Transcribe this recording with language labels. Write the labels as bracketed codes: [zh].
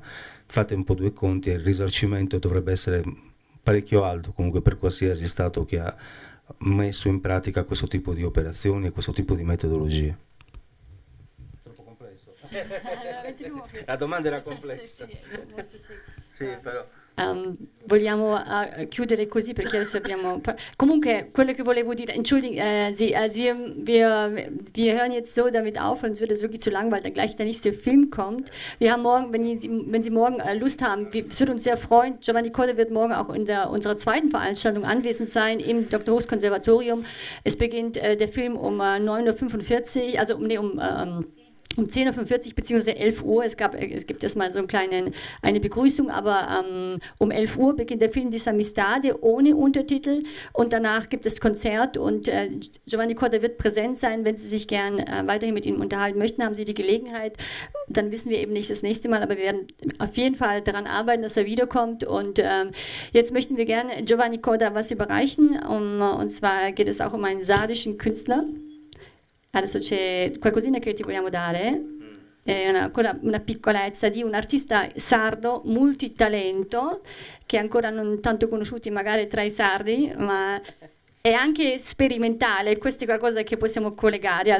[it] Fate un po' due conti e il risarcimento dovrebbe essere parecchio alto comunque per qualsiasi stato che ha messo in pratica questo tipo di operazioni e questo tipo di metodologie. Troppo complesso. La domanda era complessa. Sì, però. Vogliamo chiudere così perché adesso abbiamo. Comunque, quello che volevo dire. [de] Entschuldigung, wir hören jetzt so damit auf, sonst wird es wirklich zu lang, weil dann gleich der nächste Film kommt. Wir haben morgen, wenn Sie morgen Lust haben, es würde uns sehr freuen. Giovanni Colle wird morgen auch in unserer zweiten Veranstaltung anwesend sein im Dr. Hofs Konservatorium. Es beginnt der Film um 9.45 Uhr, also um 10.45 Uhr bzw. 11 Uhr, es gibt erstmal so eine Begrüßung, aber um 11 Uhr beginnt der Film Die Samistade ohne Untertitel und danach gibt es Konzert und Giovanni Corda wird präsent sein. Wenn Sie sich gern weiterhin mit ihm unterhalten möchten, haben Sie die Gelegenheit, dann wissen wir eben nicht das nächste Mal, aber wir werden auf jeden Fall daran arbeiten, dass er wiederkommt. Und jetzt möchten wir gerne Giovanni Corda was überreichen, und zwar geht es auch um einen sardischen Künstler. [it] Adesso c'è qualcosina che ti vogliamo dare, è una piccolezza di un artista sardo multitalento che è ancora non tanto conosciuti magari tra i sardi, ma è anche sperimentale, questa è qualcosa che possiamo collegare.